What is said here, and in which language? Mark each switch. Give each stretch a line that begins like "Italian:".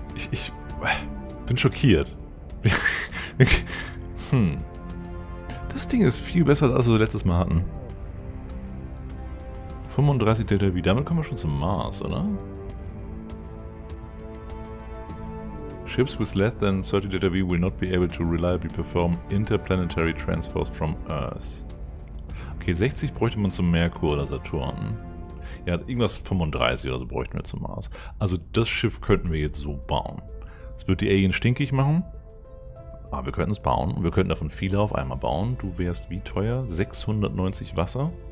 German: Ich bin schockiert. Das Ding ist viel besser, als wir letztes Mal hatten. 35 Delta V. Damit kommen wir schon zum Mars, oder?
English: Ships with less than 30 Delta V will not be able to reliably perform interplanetary transfers from Earth.
German: Okay, 60 bräuchte man zum Merkur oder Saturn. Ja, irgendwas 35 oder so bräuchten wir zum Mars. Also das Schiff könnten wir jetzt so bauen. Es wird die Alien stinkig machen. Aber wir könnten es bauen. Und wir könnten davon viele auf einmal bauen. Du wärst wie teuer? 690 Wasser?